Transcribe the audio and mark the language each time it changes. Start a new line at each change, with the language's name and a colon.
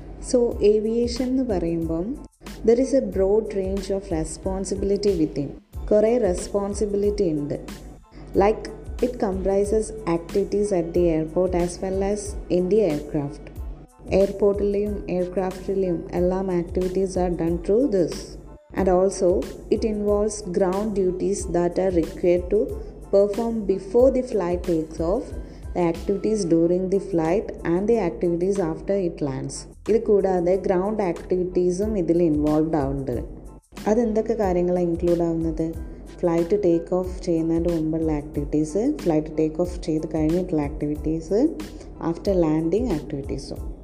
English: so aviation
Malayalam: എന്ന് പറയുമ്പം
English: There is a broad range of responsibility within.
Malayalam: കുറേ responsibility ഉണ്ട്.
English: Like it comprises activities at the airport as well as in the aircraft.
Malayalam: എയർപോർട്ടിലെയും എയർക്രാഫ്റ്റിലെയും എല്ലാം
English: Activities are done through this. And also, it involves ground duties that are required to perform before the flight takes off, the activities during the flight, and the activities after it lands.
Malayalam: ഇത് കൂടാതെ ground ആക്ടിവിറ്റീസും ഇതിൽ involved ആവുന്നുണ്ട്. അതെന്തൊക്കെ കാര്യങ്ങളാണ് include ആവുന്നത്? Flight take off ചെയ്യുന്നതിൻ്റെ മുമ്പുള്ള activities, flight take off ചെയ്ത് കഴിഞ്ഞിട്ടുള്ള ആക്ടിവിറ്റീസ്, ആഫ്റ്റർ ലാൻഡിങ് ആക്ടിവിറ്റീസും.